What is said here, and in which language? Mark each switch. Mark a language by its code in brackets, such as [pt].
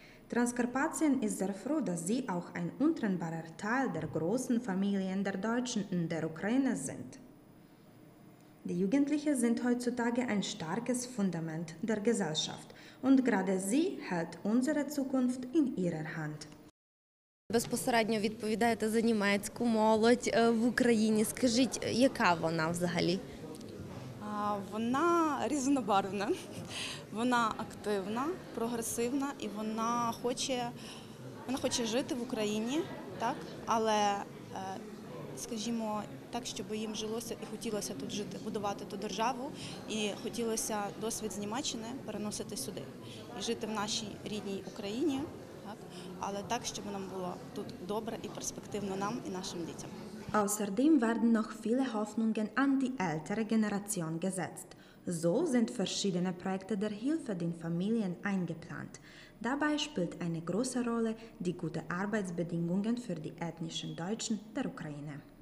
[de] Transkarpatien ist sehr froh, dass sie auch ein untrennbarer Teil der großen Familien der Deutschen in der Ukraine sind. Die Jugendlichen sind heutzutage ein starkes Fundament der Gesellschaft und gerade sie hält unsere Zukunft in ihrer Hand. [uk] Безпосередньо відповідаєте за німецьку молодь в Україні. Скажіть, яка вона взагалі? Вона різнобарвна, вона активна, прогресивна і вона хоче жити в Україні, так? Але, скажімо так, щоб їм жилося і хотілося тут жити, будувати ту державу, і хотілося досвід з Німеччини переносити сюди і жити в нашій рідній Україні. Але так, щоб нам було тут добре і перспективно нам і нашим дітям. [de] Außerdem werden noch viele Hoffnungen an die ältere Generation gesetzt. So sind verschiedene Projekte der Hilfe den Familien eingeplant. Dabei spielt eine große Rolle die gute Arbeitsbedingungen für die ethnischen Deutschen der Ukraine.